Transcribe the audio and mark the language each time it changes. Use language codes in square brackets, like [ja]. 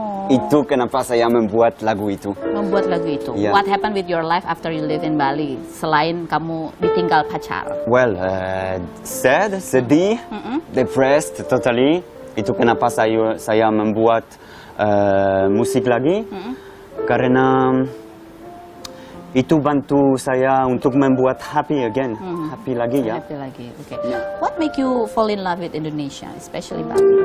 [id] Itu kenapa saya membuat lagu itu. Membuat lagu itu. [en] Yeah. What happened with your life after you live in Bali? [id] Selain kamu ditinggal pacar. [en] Well, [id] sedih, [en] depressed totally. [id] Itu kenapa saya membuat musik lagi. Karena itu bantu saya untuk membuat [en] happy again. [id] Happy lagi ya. Happy lagi, oke. [en] Okay. Yeah. What make you fall in love with Indonesia, especially Bali?